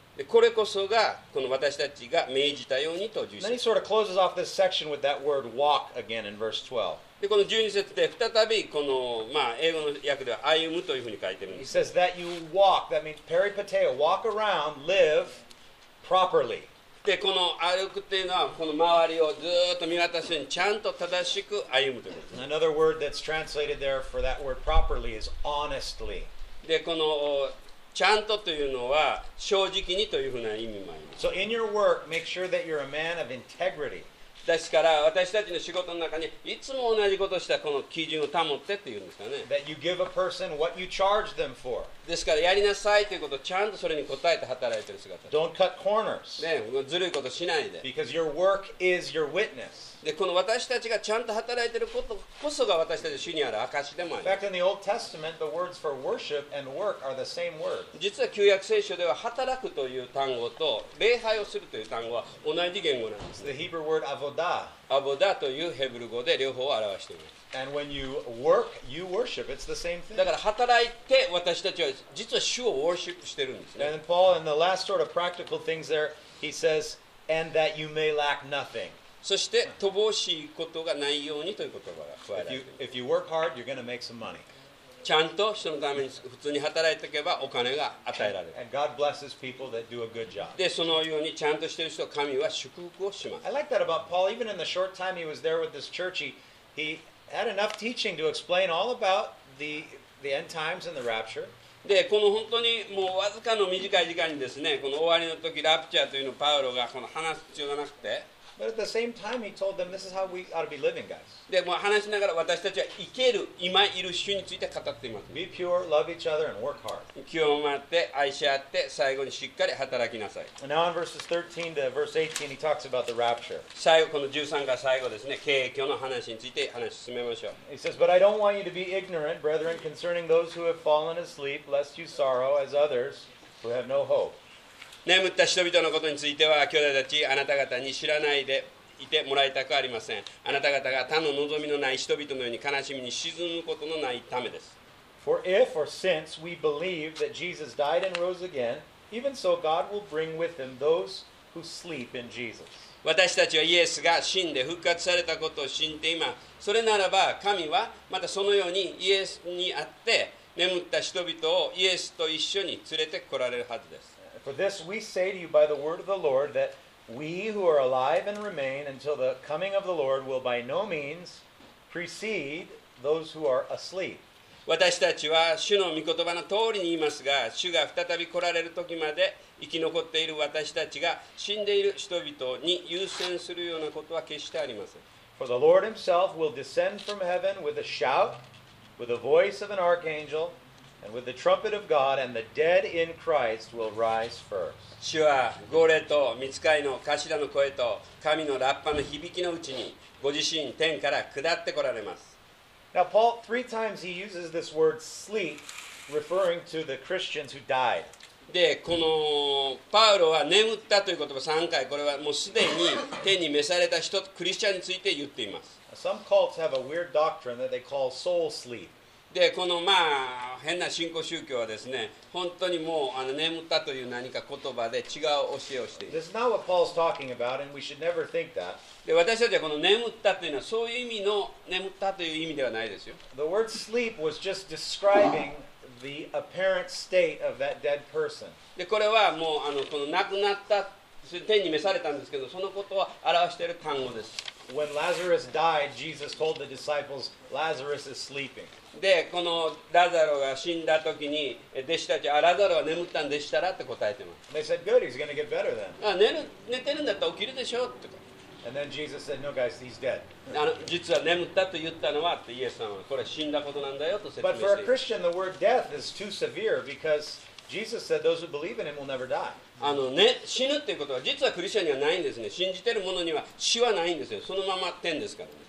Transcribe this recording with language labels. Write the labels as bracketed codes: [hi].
[ja] でこれこそがこの私たちが命じたようにと [en] Then he sort of closes off this section with that word walk again in verse 12. [ja] でこの12節で再びこの、まあ、英語の訳では歩むというふうに書いてるんです。 [en] He says that you walk, that means peripateo, walk around, live properly. [ja] でこの歩くっていうのはこの周りをずっと見渡すようにちゃんと正しく歩むということです。 [en] Another word that's translated there for that word properly is honestly. [ja] でこのちゃんとというのは正直にというふうな意味もあります。 [en] So in your work, make sure that you're a man of integrity. [ja] ですから私たちの仕事の中にいつも同じことをしたこの基準を保ってっていうんですかね。 [en] That you give a person what you charge them for. [ja] ですからやりなさいということをちゃんとそれに応えて働いている姿。 [en] Don't cut corners. [ja] ね、ずるいことしないで。 [en] Because your work is your witness. [ja] でこの私たちがちゃんと働いていることこそが私たち主にある証でもあります。 [en] In fact, in the Old Testament, the words for worship and work are the same word. [ja] 実は旧約聖書では働くという単語と礼拝をするという単語は同じ言語なんです。 [en] The Hebrew word avodah. [ja] Avodah というヘブル語で両方を表しています。 [en] And when you work, you worship. It's the same thing. [ja] だから働いて私たちは実は主をウォーシップしているんですね。 [en] And Paul, in the last sort of practical things there, he says, and that you may lack nothing. [ja] そして乏しいことがないようにという言葉が加えられています。 [en] If you work hard, you're gonna make some money. [ja] ちゃんと人のために普通に働いていけばお金が与えられる。 [en] And God blesses people that do a good job. [ja] でそのようにちゃんとしている人神は祝福をします。 [en] I like that about Paul. Even in the short time he was there with this church, he had enough teaching to explain all about the end times and the rapture. [ja] でこの本当にもうわずかの短い時間にですね、この終わりの時ラプチャーというのをパウロがこの話す必要がなくて。 [en] But at the same time, he told them, "This is how we ought to be living, guys." [ja] で、もう話しながら私たちは生ける今いる主について語っています。 [en] Be pure, love each other, and work hard. [ja] 清まって愛し合って最後にしっかり働きなさい。 [en] And now in verses 13 to verse 18, he talks about the rapture. [ja] 最後この13から最後ですね、景況の話について話し進めましょう。 [en] He says, "But I don't want you to be ignorant, brethren, concerning those who have fallen asleep, lest you sorrow as others who have no hope." [ja] 眠った人々のことについては兄弟たちあなた方に知らないでいてもらいたくありません。あなた方が他の望みのない人々のように悲しみに沈むことのないためです。 [en] For if or since we believe that Jesus died and rose again, even so God will bring with him those who sleep in Jesus. [ja] 私たちはイエスが死んで復活されたことを信じています。それならば神はまたそのようにイエスにあって眠った人々をイエスと一緒に連れてこられるはずです。 [en] For this we say to you by the word of the Lord, that we who are alive and remain until the coming of the Lord will by no means precede those who are asleep. [ja] 私たちは主の御言葉の通りに言いますが、主が再び来られる時まで生き残っている私たちが死んでいる人々に優先するようなことは決してありません。 [en] For the Lord himself will descend from heaven with a shout, with the voice of an archangel,And with the trumpet of God, and the dead in Christ will rise first. [ja] 主は号令と御使いの頭の声と神のラッパの響きのうちにご自身天から下ってこられます。 [en] Now Paul, three times he uses this word sleep, referring to the Christians who died. [ja] で、このパウロは眠ったという言葉3回、これはもうすでに天に召された人、クリスチャンについて言っています。 [en] Some cults have a weird doctrine that they call soul sleep. [ja] でこのまあ変な信仰宗教はですね、本当にもうあの眠ったという何か言葉で違う教えをしている。 [en] This is not what Paul's talking about, and we should never think that. [ja] で私たちはこの眠ったというのはそういう意味の眠ったという意味ではないですよ。 [en] The word sleep was just describing the apparent state of that dead person. [ja] でこれはもうあのこの亡くなった天に召されたんですけど、そのことを表している単語です。 [en] When Lazarus died, Jesus told the disciples, "Lazarus is sleeping." [ja] でこのラザロが死んだ時に弟子たちはラザロは眠ったんでしたらって答えてます。 [en] They said, good, he's going to get better then. [ja] 寝てるんだったら起きるでしょとか。 [en] And then Jesus said, no guys, he's dead. [ja] 実は眠ったと言ったのはってイエスさんはこれ死んだことなんだよと説明して。 [en] But for a Christian, the word death is too severe because Jesus said those who believe in him will never die. [ja] あのね、死ぬっていうことは実はクリスチャンにはないんですね。信じてる者には死はないんですよ。そのまま天ですからね。